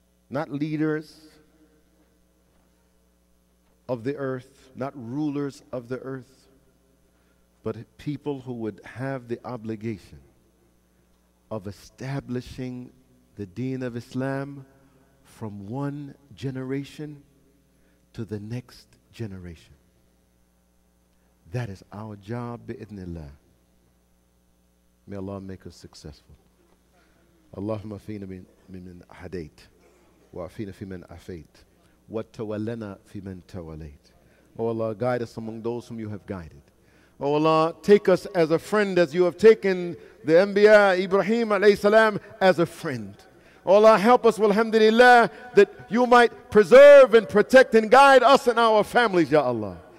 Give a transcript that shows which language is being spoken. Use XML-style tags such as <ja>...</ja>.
<en>Not leaders of the earth, not rulers of the earth, but people who would have the obligation of establishing the deen of Islam from one generation to the next generation. That is our job, bi-idhnillah. May Allah make us successful.</en> <ar>Allahumma fina min hadait. وعفينا في من عفيت وتولنا في من توليت.</ar> <en>Oh Allah, guide us among those whom you have guided. Oh Allah, take us as a friend as you have taken the Anbiya Ibrahim alayhi salam as a friend. Oh Allah, help us, alhamdulillah, that you might preserve and protect and guide us and our families, Ya Allah.</en>